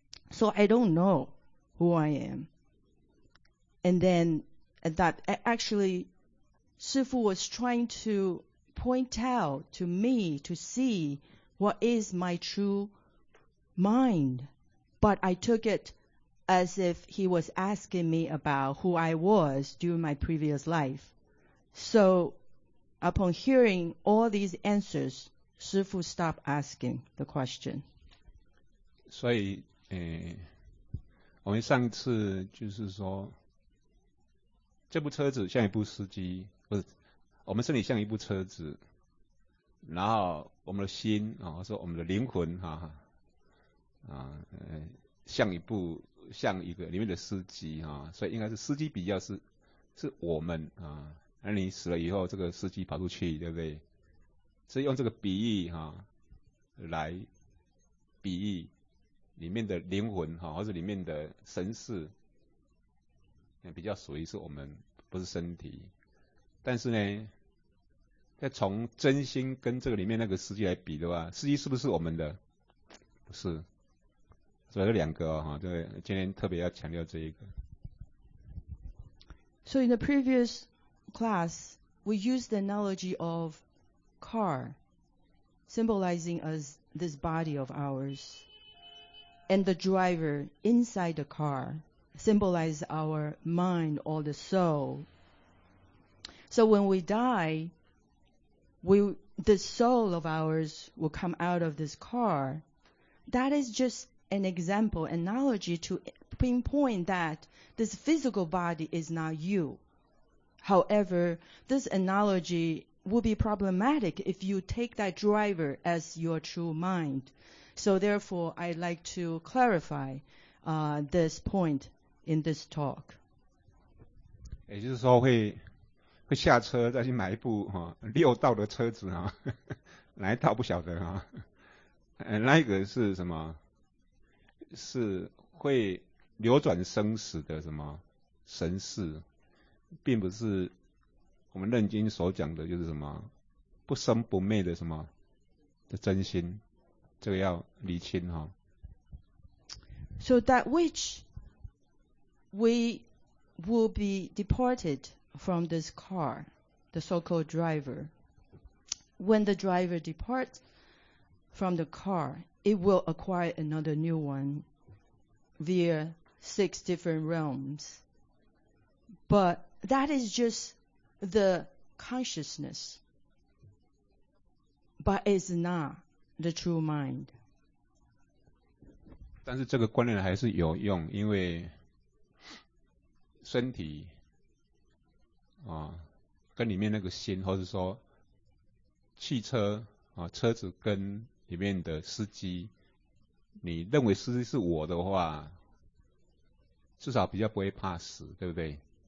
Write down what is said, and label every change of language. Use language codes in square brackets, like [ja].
[en] So I don't know who I am. And then and that actually Sifu was trying to point out to me to see what is my true mind. But I took it as if he was asking me about who I was during my previous life. So upon hearing all these answers, Sifu stopped asking the question. [zh] 所以，我们上次就是说这部车子像一部司机，不是，我们身体像一部车子，然后我们的心啊，说我们的灵魂哈，像一个里面的司机哈，所以应该是司机比较是我们啊，那你死了以后，这个司机跑出去，对不对？所以用这个比喻哈，来比喻里面的灵魂哈，或者里面的神识。比较属于是我们不是身体，但是呢要从真心跟这个里面那个司机来比的话，司机是不是我们的？不是，所以这两个哈，哦，今天特别要强调这一个。 [en] So in the previous class we used the analogy of car symbolizing as this body of ours and the driver inside the carsymbolize our mind or the soul. So when we die, the soul of ours will come out of this car. That is just an example, analogy to pinpoint that this physical body is not you. However, this analogy will be problematic if you take that driver as your true mind. So therefore, I'd like to clarify this point. In this talk. [zh] 也就是说会下车再去买一部、哦、六道的车子、哦、哪一道不晓得、哦那个是什么是会流转生死的什么神事，并不是我们楞经所讲的就是什么不生不灭的什么的真心，这个要厘清、哦、 [en] So that which we will be deported from this car, the so-called driver. When the driver departs from the car, it will acquire another new one via six different realms. But that is just the consciousness, but it's not the true mind. [zh] 但是这个观念还是有用，因为身体、哦、跟里面那个心，或是说汽车、哦、车子跟里面的司机，你认为司机是我的话，至少比较不会怕死，对不对？